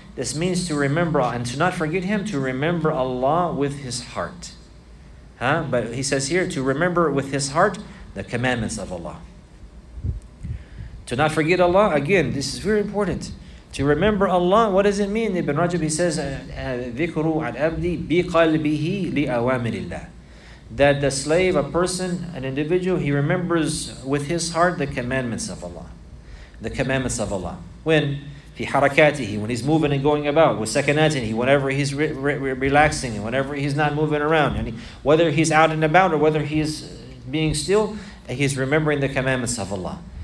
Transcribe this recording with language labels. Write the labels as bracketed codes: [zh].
[en] This means to remember and to not forget him, to remember Allah with his heart. Huh? But he says here, to remember with his heart the commandments of Allah. To not forget Allah, again, this is very important. To remember Allah, what does it mean? Ibn Rajab, he says, [ar] ذِكْرُ عَلْأَبْدِ بِقَلْبِهِ لِأَوَامِرِ اللَّهِ. [en] That the slave, a person, an individual, he remembers with his heart the commandments of Allah. The commandments of Allah. When? [ar] في حركاته, [en] when he's moving and going about, with [ar] سكناته, [en] whenever he's relaxing, and whenever he's not moving around, and whether he's out and about, or whether he's being still, he's remembering the commandments of Allah.